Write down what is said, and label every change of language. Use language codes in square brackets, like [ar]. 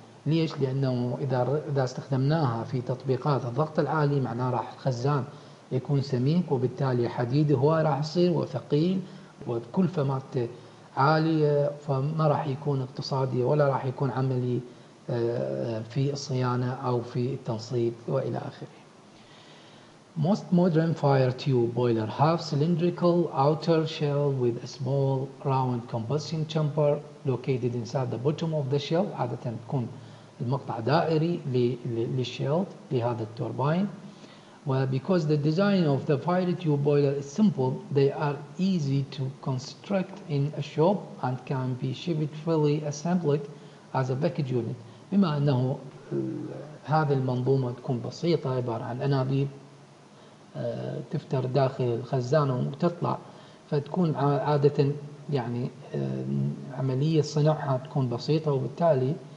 [ar] ليش؟ لأنه إذا استخدمناها في تطبيقات الضغط العالي معناه راح الخزان يكون سميك، وبالتالي حديده هو راح يصير وثقيل وكلفة مالته عالية، فما راح يكون اقتصادي ولا راح يكون عملي في الصيانة أو في التنصيب وإلى آخره. [en] Most modern fire tube boilers have cylindrical outer shell with a small round combustion chamber located inside the bottom of the shell. [ar] عادة تكون المقطع دائري للشيل لهذا التوربين. [en] Well, because the design of the fire tube boiler is simple, they are easy to construct in a shop and can be shipped fully assembled as a package unit. [ar] بما أنه هذه المنظومة تكون بسيطة عبارة عن أنابيب تفتر داخل الخزان وتطلع، فتكون عادة يعني عملية صنعها تكون بسيطة، وبالتالي